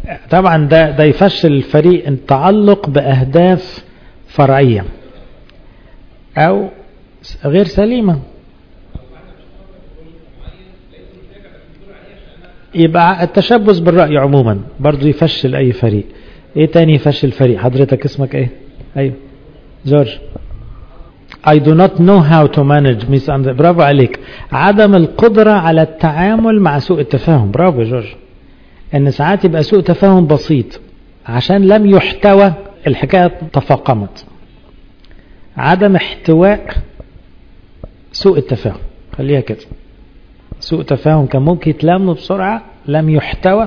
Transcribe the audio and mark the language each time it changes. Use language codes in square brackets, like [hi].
[ar] طبعا ده يفشل الفريق، التعلق بأهداف فرعية أو غير سليمة. يبقى التشبث بالرأي عموما برضو يفشل اي فريق. ايه تاني يفشل فريق؟ حضرتك اسمك ايه؟ ايوه جورج. [en] I do not know how to manage misunderstanding. [ar] برافو عليك، عدم القدرة على التعامل مع سوء التفاهم. برافو جورج، ان ساعات يبقى سوء تفاهم بسيط عشان لم يحتوى الحكاية تفاقمت. عدم احتواء سوء التفاهم، خليها كده، سوء تفاهم كان ممكن يتلموا بسرعة لم يحتوى.